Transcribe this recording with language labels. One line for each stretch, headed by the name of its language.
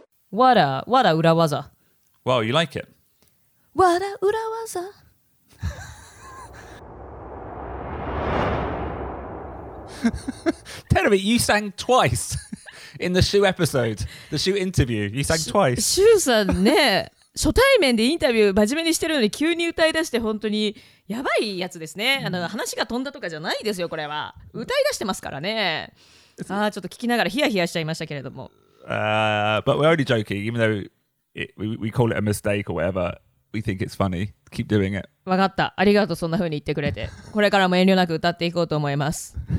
English: What a 裏技。 Wow, you like it. What a 裏技。 Terumi, you sang twice. In the shoe episode, the shoe interview, you sang twice.
Japanese: Shoe さんね、初対面でインタビュー真面目にしてるのに急に歌い出して本当にやばいやつですね。あの話が飛んだとかじゃないですよ、これは。歌い出してますからね。ああ、ちょっと聞きながらヒヤヒヤしちゃいましたけれども。
English: But we're only joking, even though we call it a mistake or whatever, we think it's funny. Keep doing it.
Japanese: わかった。ありがとう、そんな風に言ってくれて。これからも遠慮なく歌っていこうと思います。